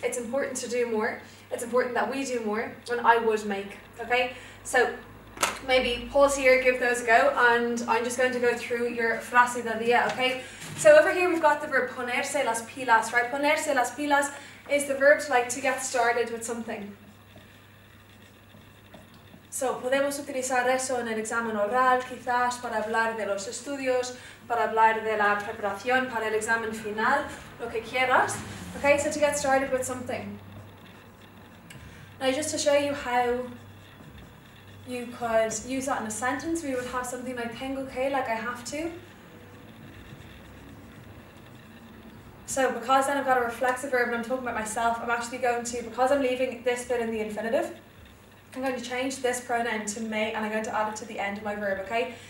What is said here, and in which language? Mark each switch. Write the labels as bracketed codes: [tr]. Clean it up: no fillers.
[en] It's important to do more. It's important that we do more. And I would make. Okay, so maybe pause here, give those a go, and I'm just going to go through your [es] frase del día. [en] Okay, so over here we've got the verb [es] ponerse las pilas, [en] right? [es] Ponerse las pilas [en] is the verb to get started with something. [es] So, podemos utilizar eso en el examen oral, quizás, para hablar de los estudios, para hablar de la preparación, para el examen final, lo que quieras. [en] Okay, so to get started with something. Now, just to show you how you could use that in a sentence, we would have something like, [es] tengo que, [en] like I have to. So because then I've got a reflexive verb and I'm talking about myself, I'm actually going to, because I'm leaving this bit in the infinitive, I'm going to change this pronoun to me and I'm going to add it to the end of my verb, okay?